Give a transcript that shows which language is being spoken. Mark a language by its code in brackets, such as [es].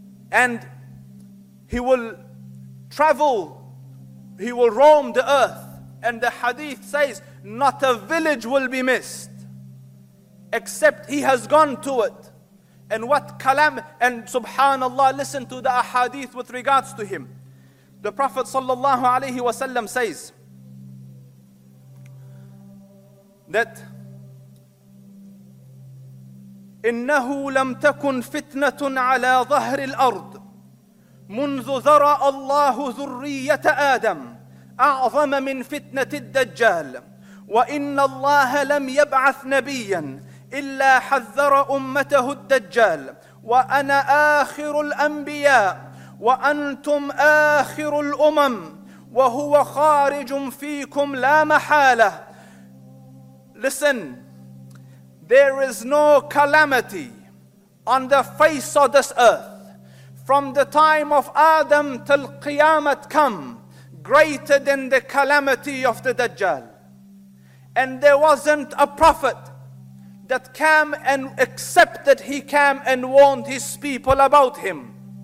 [en] And he will travel, he will roam the earth. And the hadith says, not a village will be missed, except he has gone to it. And what kalam, and subhanallah, listen to the ahadith with regards to him. The Prophet sallallahu alayhi wa sallam says that [ar] إنه لم تكن فتنة على ظهر الأرض منذ ذرأ الله ذرية آدم أعظم من فتنة الدجال وإن الله لم يبعث نبيا إلا حذر أمته الدجال وأنا آخر الأنبياء وأنتم آخر الأمم وهو خارج فيكم لا محالة. [en] Listen. There is no calamity on the face of this earth from the time of Adam till Qiyamah come greater than the calamity of the Dajjal. And there wasn't a prophet that came and accepted he came and warned his people about him.